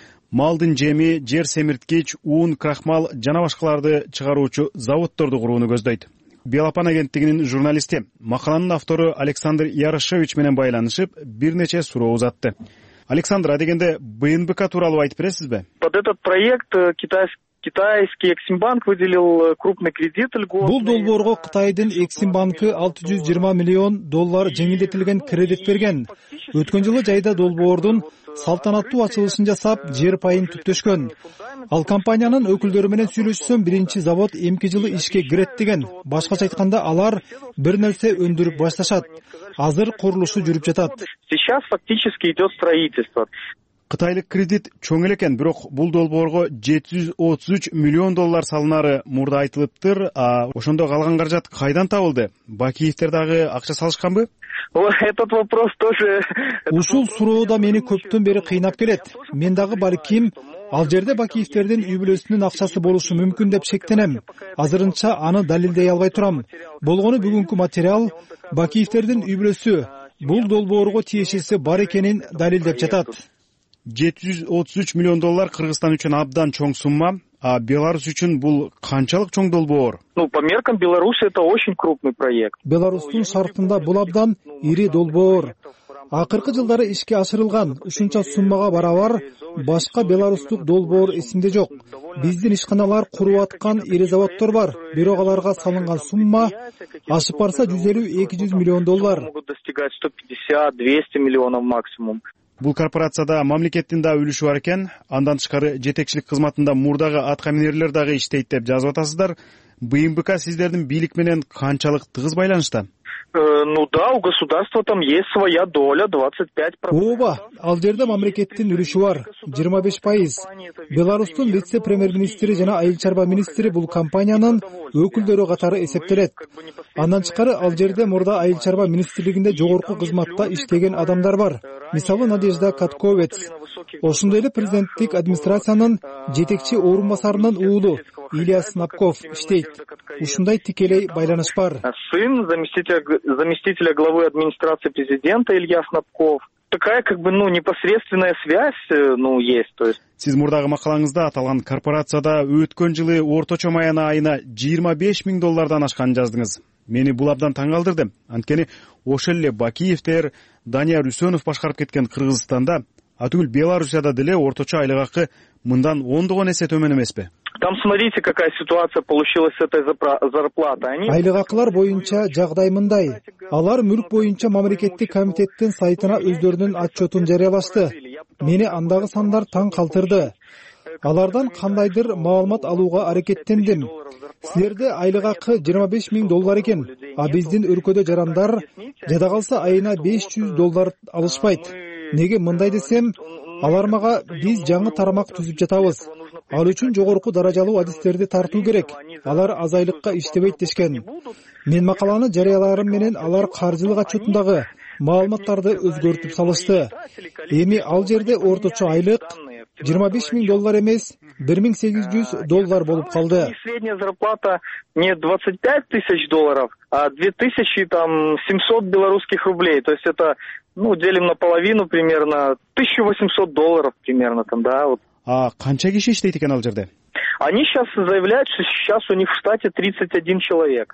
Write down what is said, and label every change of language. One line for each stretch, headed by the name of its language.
Kyrgyz: Малдын жеми, жер семирткич, уун, крахмал жана башкаларды чыгаруучу заводдорду курууну көздөйт. Белапан агенттигинин журналисти, макаланын автору Александр Ярошевич менен байланышып, бир нече суроо узатты. Александр, а дегенде БНБК тууралуу айтып бересизби?
Russian: Под этот проект Китайский Эксимбанк выделил крупный кредит льготный.
Kyrgyz: Бул долбоорго Кытайдын Эксимбанкы 620 миллион доллар жеңилдетилген кредит берген. Өткөн жылы жайда долбоордун салтанаттуу ачылышын жасап, жер пайын түптөшкөн. Ал компаниянын өкүлдөрү менен сүйлөшсөм, биринчи завод 2 жылы ишке кирет деген. Башкача айтканда, алар бир нерсе өндүрүп башташат. Азыр курулушу жүрүп жатат.
Russian: Сейчас фактически идёт строительство.
Kyrgyz: Кытайлык кредит чоң эле экен, бирок бул долбоорго 733 миллион доллар салынары мурда айтылыптыр. А ошондо калган каражат кайдан табылды? Бакиевтер дагы акча салышканбы?
Russian: Этот вопрос тоже.
Kyrgyz: Ушул суроо да мени көптөн бери кыйнап келет. Мен дагы балким ал жерде Бакиевтердин үй-бүлөсүнүн акчасы болушу мүмкүн деп шектенем. Азырынча аны далилдей албай турам. Болгону бүгүнкү материал Бакиевтердин үй-бүлөсү бул долбоорго тиешеси бар экенин далилдеп жатат. 733 миллион доллар Кыргызстан үчүн абдан чоң сумма. А Беларусь үчүн бул канчалык чоң долбоор?
Russian: Ну, по меркам Беларуси это очень крупный проект.
Kyrgyz: Беларусьтун шартында бул абдан ири долбоор. Акыркы жылдары ишке ашырылган ушунча суммага барабар башка беларустук долбоор эсимде жок. Биздин ишканалар куруп аткан ири заводдор бар, бирок аларга салынган сумма ашып барса 150-200 миллион доллар.
Russian: Могут достигать 150-200 миллионов максимум.
Kyrgyz: Бул корпорацияда мамлекеттин да үлүшү бар экен, андан тышкары жетекчилик кызматында мурдагы аткаминерлер дагы иштейт деп жазып атасыздар. БМБК сиздердин бийлик менен канчалык тыгыз байланышта?
Russian: Ну да, у государства там есть своя доля 25%.
Kyrgyz: Ооба, ал жерде мамлекеттин үлүшү бар 25%. Беларусьтун вице-премьер-министри жана айыл чарба министри бул компаниянын өкүлдөрү катары эсептелет. Андан тышкары ал жерде мурда айыл чарба министрлигинде жогорку кызматта иштеген адамдар бар. Мисалы Надежда Катковец. Ошондой эле президенттик администрациянын жетекчи орун басарынын уулу Илияс Снапков иштейт. Ушундай тикелей байланыш бар.
Russian: Сын заместителя главы администрации президента Илья Снапков. Такая непосредственная связь, есть, то есть.
Kyrgyz: Сиз мурдагы макалаңызда аталган корпорацияда өткөн жылы орточо маяна айына 25 000 доллардан ашканын жаздыңыз. Мени бул абдан таң калтырды. Анткени ошол эле Бакиевтер, Данияр Үсөнов башкарып кеткен Кыргызстанда, атүгүл Белоруссияда деле орточо айлык акы мындан ондогон эсе төмөн эмеспи?
Russian: Там смотрите, какая ситуация получилась с этой зарплатой.
Kyrgyz: Айлык акылар боюнча жагдай мындай. Алар мүлк боюнча мамлекеттик комитеттин сайтына өздөрүнүн отчётун жарыялашты. Мени андагы сандар таң калтырды. Алардан кандайдыр маалымат алууга аракеттендим. Силерде айлык акы 25 000 доллар экен, а биздин өлкөдө жарандар жада калса айына 500 доллар алышпайт. Неге мындай десем, алар мага биз жаңы тармак түзүп жатабыз. Ал үчүн жогорку даражалуу адистерди тартуу керек. Алар аз айлыкка иштебейт дешкен. Мен макаланы жарыяларым менен алар каржылык отчётундагы маалыматтарды өзгөртүп салышты. Эми ал жерде орточо айлык 25 000 доллар эмес, 1800 доллар болуп калды.
Russian: Средняя зарплата не 25 тысяч долларов, а 2700 белорусских рублей. То есть это, делим на половину примерно, 1800 долларов примерно там, да, вот.
Kyrgyz: А канча киши иштейт экен ал жерде?
Russian: Они сейчас заявляют, что сейчас у них в штате 31 человек.